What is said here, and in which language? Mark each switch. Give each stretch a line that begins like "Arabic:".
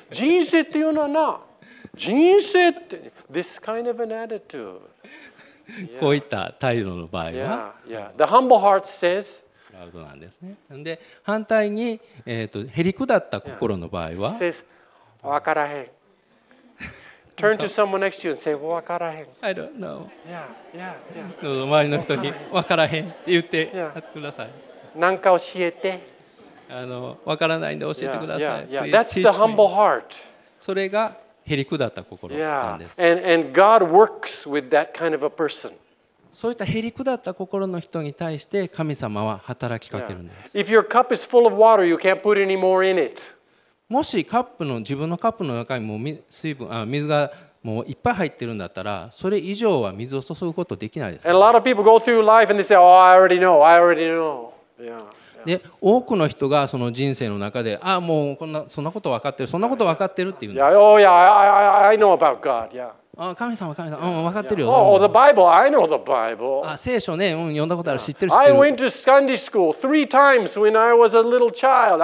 Japanese: 人生っていうのはな、人生って、
English: This kind of an attitude.
Japanese: こういった態度の場合は。
English: Yeah, yeah. The humble heart says,
Japanese: アウトなんですね。で、反対に、減り下った心の場合は、
English: yeah. says,
Japanese: わからへん。
English: Turn to someone next to you and say,
Japanese: わからへん。
English: I don't know. Yeah, yeah, yeah.
Japanese: どうぞ周りの人にわからへんって言ってやってください。なんか教えて。わからないんで教えてください。
English: Yeah, yeah, yeah. That's the humble heart.
Japanese: それが減り下った心なんです。
English: Yeah. And God works with that kind of a person.
Japanese: そういったへりくだった心の人に対して神様は働きかけるんです。
English: If your cup is full of water, you can't put any more in it.
Japanese: もしカップの自分のカップの中にもう水分、水がもういっぱい入ってるんだったら、それ以上は水を注ぐことできないです。
English: And a lot of people go through life and they say, "Oh, I already know. I already know." Yeah.
Japanese: で多くの人がその人生の中で、ああもうこんなそんなこと分かってる、そんなこと分かってるっていうんです。
English: Yeah, oh yeah, I know about God. Yeah.
Japanese: あ、神様、神様、うん、分かってるよ。
English: Oh, the Bible. I know the Bible.
Japanese: あ、聖書ね、うん、読んだことある、知ってる、知ってる。
English: I went to Sunday school three times when I was a little child.